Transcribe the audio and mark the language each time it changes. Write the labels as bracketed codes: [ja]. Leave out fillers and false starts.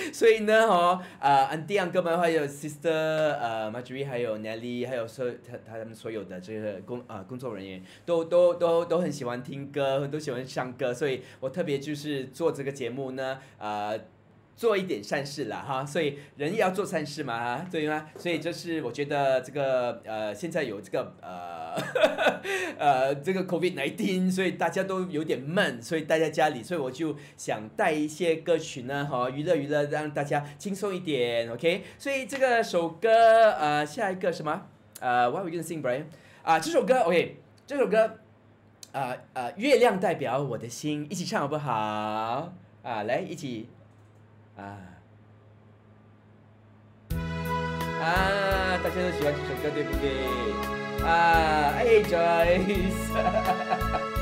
[zh] 所以呢，哈，安迪昂哥们还有 sister， Marjorie 还有 Nelly， 还有他们所有的这个工作人员，都很喜欢听歌，都喜欢唱歌，所以我特别就是做这个节目呢，做一点善事啦哈，所以人要做善事嘛，对吗？所以就是我觉得这个现在有这个这个 COVID-19， 所以大家都有点闷，所以待在家里，所以我就想带一些歌曲呢哈，娱乐娱乐，让大家轻松一点 ，OK？所以这个首歌下一个什么？ [en] What are we gonna sing, Brian？ [zh] 这首歌 OK， 这首歌月亮代表我的心，一起唱好不好？来一起。大家都喜欢这首歌，对不对？哎 ，Joyce，